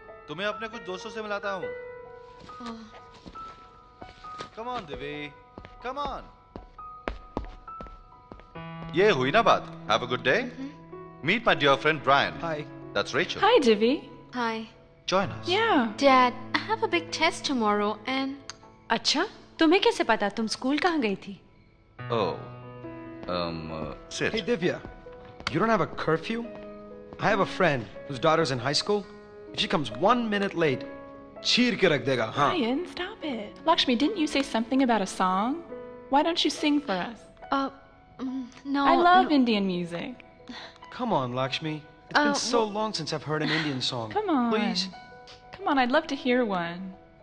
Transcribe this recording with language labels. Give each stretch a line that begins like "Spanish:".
Hindi: Tumhe apne kuch doston se milata hoon.
English: Come on, Divi. Come on.
Hindi: Ye hui na baat.
English: Have a good day. Meet my dear friend Brian. Hi. That's Rachel. Hi, Divi. Hi. Join us. Yeah. Dad, I have a big test tomorrow and...
Hindi: अच्छा तुम्हें कैसे पता तुम school कहाँ गई थी?
English: Oh, sit. Hey Divya, you don't have a curfew? I have a friend whose daughter's in high school. If she comes 1 minute late,
Hindi: चीर के रख देगा, हाँ?
English: Ryan, stop it. Lakshmi, didn't you say something about a song? Why don't you sing for us? No. I love Indian music. Come on, Lakshmi. It's been so long since I've heard an Indian song. Come on. Please. Come on, I'd love to hear one.